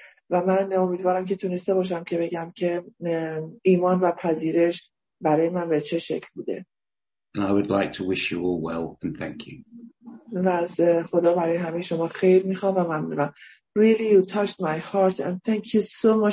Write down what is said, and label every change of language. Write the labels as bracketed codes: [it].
[fa] و من امیدوارم که تونسته باشم که بگم که ایمان و پذیرش برای من به چه شکل بوده. [en] And I would like to wish you all well and thank you. [fa] و از خدا برای همه شما خیر میخوام و ممنونم. [en] Really you touched my heart and thank you so much.